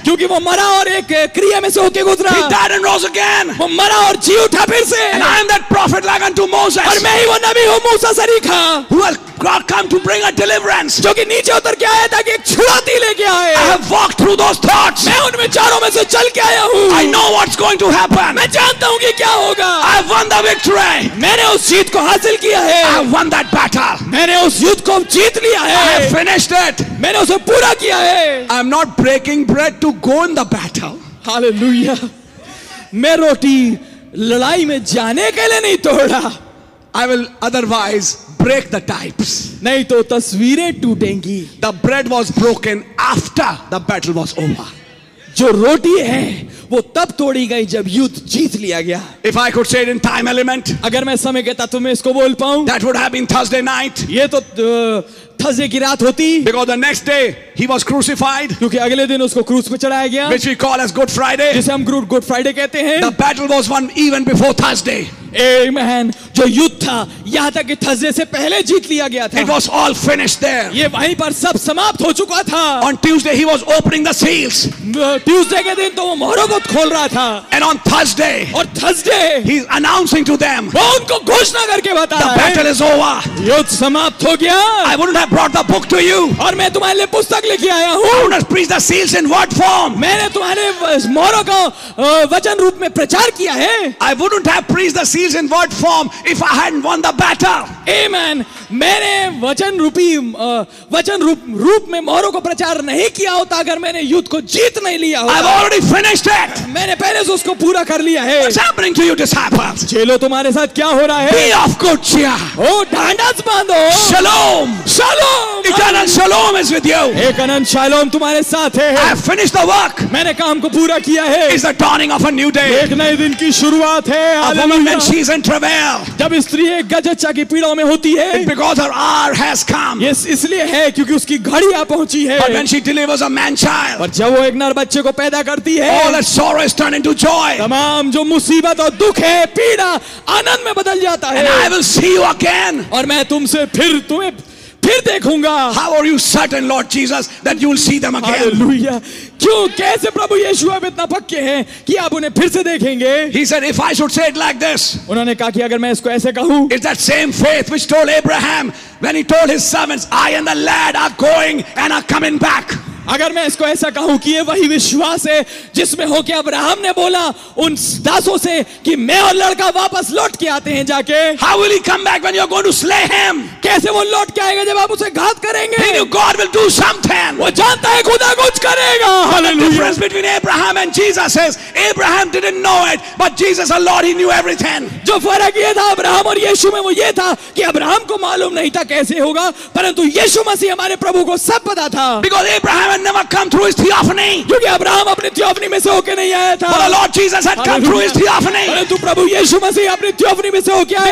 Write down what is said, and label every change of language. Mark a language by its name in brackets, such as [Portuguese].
[Hindi] क्योंकि वो मरा और एक क्रिया में से होके गुजरा. [English] He died and rose again. [Hindi] वो मरा और जी उठा फिर से. [English] And I am that prophet like unto Moses. [Hindi] और मैं ही वो नबी हूँ मूसा सरीखा. [English] Who has come to bring a deliverance. [Hindi] जो कि नीचे उतर के आया था कि एक छुड़ाती लेके आए. [English] I have walked through those thoughts. [Hindi] मैं उन विचारों में से चल के आया हूँ. [English] I know what's going to happen. [Hindi] मैं जानता हूँ कि क्या होगा. [English] I have won the victory. [Hindi] मैंने उस जीत को हासिल किया है. [English] I have won that battle. [Hindi] मैंने उस युद्ध को जीत लिया है. [English] I have finished. [Hindi] मैंने उसे पूरा किया है. [English] I'm not breaking bread to go in the battle. Hallelujah. [Hindi] मैं रोटी लड़ाई में जाने के लिए नहीं तोड़ा. [English] I will otherwise break the types. [Hindi] नहीं तो तस्वीरें टूटेंगी. [English] The bread was broken after the battle was over. [Hindi] जो रोटी है वो तब तोड़ी गई जब युद्ध जीत लिया गया. [English] If I could say it in time element, [Hindi] अगर मैं समय के तत्व में इसको बोल पाऊं, [English] that would have been Thursday night. [Hindi] ये तो थजे की रात होती [English] because the next day he was crucified [Hindi] क्योंकि अगले दिन उसको क्रूस पे चढ़ाया गया [English] which we call as good Friday [Hindi] जिसे हम गुड फ्राइडे कहते हैं [English] The battle was won even before Thursday Amen. [Hindi] जो युद्ध था यहाँ तक कि थर्सडे से पहले जीत लिया गया था [English] It was all finished there. [Hindi] ये वहीं पर सब समाप्त हो चुका था [English] On Tuesday he was opening the seals. [Hindi] Tuesday के दिन तो वो मोहरों को खोल रहा था [English] And on Thursday, [Hindi] और Thursday [English] he is announcing to them, [Hindi] वो उनको घोषणा करके बता [English] The battle is over. [Hindi] युद्ध समाप्त हो गया [English] I wouldn't have brought the book to you. [Hindi] और मैं तुम्हारे लिए पुस्तक लेके आया हूँ [English] I would have preached the seals in word form. [Hindi] मैंने तुम्हारे मोहरों को वचन रूप में प्रचार किया है [English] I wouldn't have preached the seals in word form if I hadn't won the battle. Amen. [Hindi] मैंने वचन रूपी वचन रूप रूप में मोहरों को प्रचार नहीं किया होता अगर मैंने युद्ध को जीत नहीं लिया होता [English] I've already finished it. [Hindi] मैंने पहले से उसको पूरा कर लिया है [English] What's happening to you, disciples? [Hindi] चलो तुम्हारे साथ क्या हो रहा है [English] Be of good cheer. [Hindi] ओ ढांढस बांधो [Hebrew] Shalom. Shalom. [English] Eternal shalom is with you. [Hindi] एक अनंत शालोम तुम्हारे साथ है [English] I've finished the work. [Hindi] मैंने काम को पूरा किया है [English] It's the dawning of a new day. [Hindi] एक नए दिन की शुरुआत है [English] She's in travail. [Hindi] जब स्त्री एक गजच्चा की पीड़ा में होती है [English] Because her hour has come. Yes, [Hindi] इसलिए है क्योंकि उसकी घड़ी आ पहुंची है [English] But when she delivers a man child, [Hindi] पर जब वो एक नर बच्चे को पैदा करती है [English] All her sorrow is turned into joy. [Hindi] तमाम जो मुसीबत और दुख है पीड़ा आनंद में बदल जाता है [English] And I will see you again. [Hindi] और मैं तुमसे फिर तुम्हें फिर देखूंगा [English] How are you certain, Lord Jesus, that you will see them again? Hallelujah. [Hindi] क्यों कैसे प्रभु यीशु अब इतना पक्के हैं कि आप उन्हें फिर से देखेंगे? [English] He said, if I should say it like this, [Hindi] उन्होंने कहा कि अगर मैं इसको ऐसे कहूं, [English] it's that same faith which told Abraham when he told his servants, I and the lad are going and are coming back. [Hindi] अगर मैं इसको ऐसा कहूं कि ये वही विश्वास है जिसमें हो कि अब्राहम ने बोला उन दासों से कि मैं और लड़का वापस लौट के आते हैं जाके [English] How will he come back when you are going to slay him? [Hindi] कैसे वो लौट के आएगा जब आप उसे घात करेंगे [English] He knew God will do something. [Hindi] वो जानता है खुदा कुछ करेगा [English] Hallelujah. The difference between Abraham and Jesus is Abraham didn't know it but Jesus our Lord he knew everything. [Hindi] जो फर्क ये था अब्राहम और यीशु में वो ये था कि अब्राहम को मालूम नहीं था कैसे होगा परंतु यीशु मसीह हमारे प्रभु को सब पता था [English] Because Abraham had never come through his theophany. [Hindi] क्योंकि अब्राहम अपने theophany में से होके नहीं आया था. [English] But the Lord Jesus had come through his theophany. [Hindi] परंतु प्रभु यीशु मसीह अपने theophany में से होके आए थे.